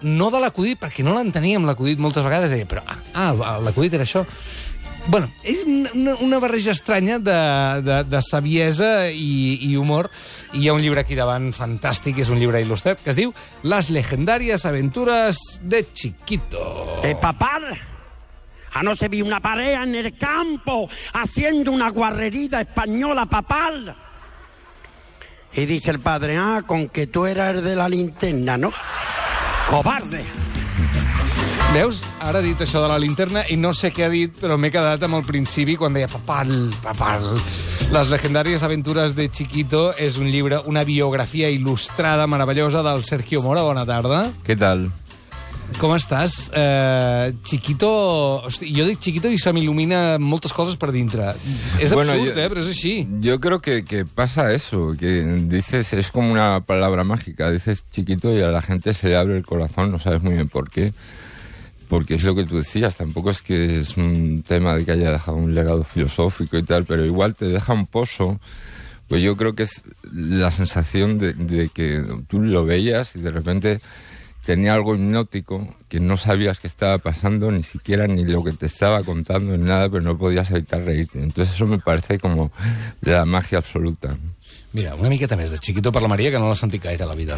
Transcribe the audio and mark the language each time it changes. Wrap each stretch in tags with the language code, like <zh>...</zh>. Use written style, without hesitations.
<ca>No de l'acudit, perquè no l'enteníem, l'acudit, moltes vegades. Deia, però, l'acudit era això... Bueno, és una barreja estranya de saviesa i humor. I hi ha un llibre aquí davant fantàstic, és un llibre il·lustrat, que es diu Las legendarias aventuras de Chiquito.</ca> <es>Epa, par! A no se vi una parea en el campo haciendo una guarrerida española, papal. Y dice el padre, con que tú eras el de la linterna, ¿no? ¡Cobarde!</es> <ca>Veus? Ara ha dit això de la linterna i no sé què ha dit, però m'he quedat amb el principi quan deia papal, papal. Les legendàries aventures de Chiquito és un llibre, una biografia il·lustrada meravellosa del Sergio Mora. Bona tarda. Què tal? Com estàs? Chiquito... Hosti, jo dic Chiquito i se m'il·lumina moltes coses per dintre. És absurd, bueno, però és així. Jo crec que passa</ca> <es>eso, que dices,</es> <ca>és com una</ca> <es>palabra mágica. Dices Chiquito i a la gente se le abre el corazón, no sabes muy bien por qué. Porque es lo que tú decías, tampoco es que es un tema de que haya dejado un legado filosófico y tal, pero igual te deja un pozo, pues yo creo que es la sensación de que tú lo veías y de repente tenía algo hipnótico, que no sabías qué estaba pasando, ni siquiera ni lo que te estaba contando ni nada, pero no podías evitar reírte. Entonces eso me parece como la magia absoluta.</es> <ca>Mira, una miqueta més de Chiquito per la Maria, que no l'ha sentit gaire la vida.</ca>